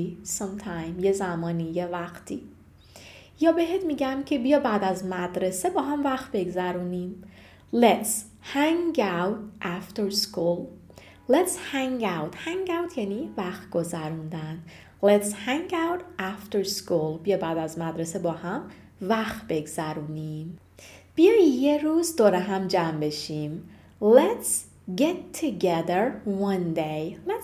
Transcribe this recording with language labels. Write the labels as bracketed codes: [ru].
[en] We should go out sometime, [fa] یه روزی، یه زمانی، یه وقتی. یا بهت میگم که بیا بعد از مدرسه با هم وقت بگذرونیم. [en] Let's hang out after school. Hang out [fa] یعنی وقت گذروندن. [en] Let's hang out after school. [fa] بیا بعد از مدرسه با هم وقت بگذرونیم. بیا یه روز دور هم جمع بشیم. [en] Let's get together one day.